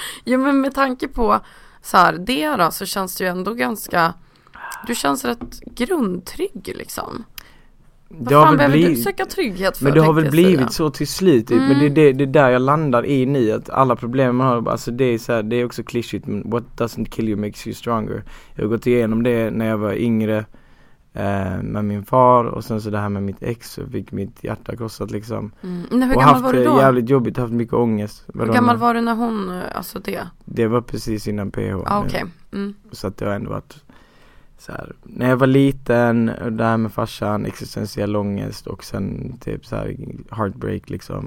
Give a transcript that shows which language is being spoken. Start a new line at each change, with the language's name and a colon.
Swedish: Ja, men med tanke på så här det då, så känns det ju ändå ganska, du känns rätt grundtrygg liksom. Vad fan behöver blivit, du söka trygghet för? Men det har väl blivit så till slut. Typ. Mm. Men det är där jag landar i nu. Att alla problem man har, alltså det är så här, det är också klischigt.
English: Men what doesn't kill you makes you stronger.
Swedish: Jag har gått igenom det när jag var yngre med min far. Och sen så det här med mitt ex, så fick mitt hjärta krossat liksom. Mm. Nej, hur och gammal haft var du då? Jävligt jobbigt, haft mycket ångest. Hur gammal var du när hon, alltså det? Det var precis innan PH. Ah, okay. Mm. Så att det har ändå varit. Så här, när jag var liten, det här med farsan, existentiell ångest och sen typ så här heartbreak liksom.